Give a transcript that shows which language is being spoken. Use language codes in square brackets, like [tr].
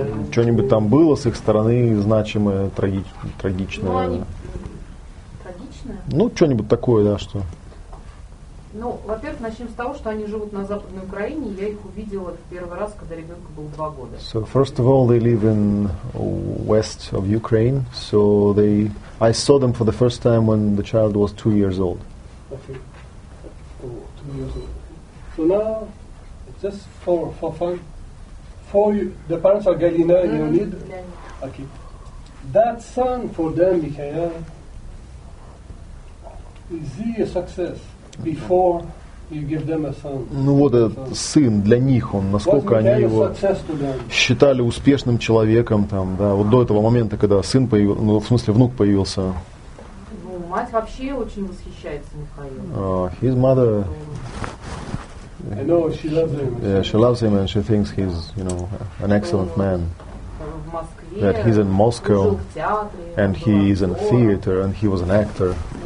[ru] Что-нибудь там было с их стороны значимое, трагичное? Ну, что-нибудь такое, да, что? Ну, во-первых, начнем с того, что они живут на Западной Украине, я их увидела в первый раз, когда ребенку было 2 года. [en] So, first of all, they live in west of Ukraine, so they... I saw them for the first time when the child was 2 years old. Okay. Oh, 2 years old. So now, just for fun, for you, the parents are Galina and Leonid? Yeah. Okay. That son for them, Mikhail, is he a success? Before you give them a son. [ru] Ну вот этот сын для них, он, насколько они его считали успешным человеком, там, да, вот до этого момента, когда сын появился, ну, в смысле, внук появился. Ну, мать вообще очень восхищается Михаилом. [en] His mother. I know she loves him. Yeah, she loves him and she thinks he's, you know, an excellent man. [ru] В Москве, [en] that he's in Moscow, [ru] театре, [en] and he is in theater, and he was an actor.